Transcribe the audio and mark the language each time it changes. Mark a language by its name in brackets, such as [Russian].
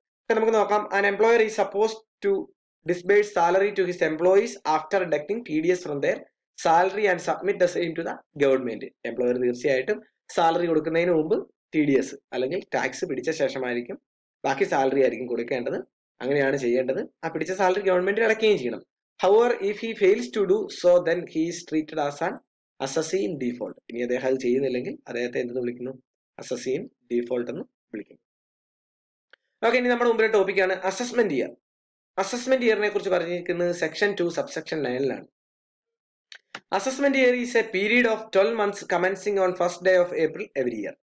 [Malayalam] നമുക്ക് നോക്കാം, [English] An employer is suppose to disburse salary to his employees after deducting T D S from their salary and submit the same to the government. [Malayalam] Employer തീർച്ചയായിട്ടും salary കൊടുക്കുന്നതിന് മുമ്പ് T D S അല്ലെങ്കിൽ tax പിടിച്ച ശേഷമായിരിക്കും ബാക്കി salary ആയിരിക്കും കൊടുക്കേണ്ടത്. അങ്ങനെയാണ് ചെയ്യേണ്ടത്. ആ പിടിച്ച സാലറി ഗവൺമെന്റിൽ അടയ്ക്കുകയും ചെയ്യണം. [English] However, if he fails to do so, then he is treated as an assessee in default. [Malayalam] ഇനി അദ്ദേഹം അത് ചെയ്യുന്നില്ലെങ്കിൽ അദ്ദേഹത്തെ എന്തെന്ന് വിളിക്കുന്നു? അസസീൻ ഡിഫോൾട്ട് എന്ന് വിളിക്കുന്നു. ഓക്കെ, ഇനി നമ്മുടെ മുമ്പിലെ ടോപ്പിക്കാണ് അസസ്മെന്റ് ഇയർ. അസസ്മെന്റ് ഇയറിനെ കുറിച്ച് പറഞ്ഞിരിക്കുന്നത് section 2 subsection 9. [English] Assessment year is a period of 12 months commencing on first day of April every year.